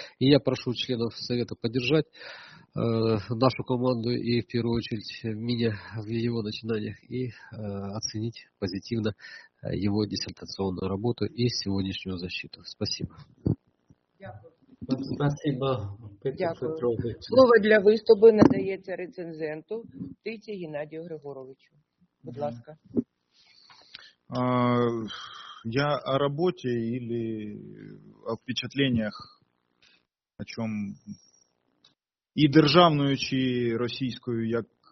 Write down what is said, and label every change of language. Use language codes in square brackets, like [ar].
[ru] И я прошу членов Совета поддержать нашу команду и в первую очередь меня в его начинаниях и оценить позитивно его диссертационную работу и сегодняшнюю защиту. Спасибо. Спасибо. [uk] Дякую. Слово для виступу надається рецензенту Тиці Геннадію Григоровичу. Будь ласка. [ru] Я о работе или о впечатлениях, о чем и державную, и российскую, как...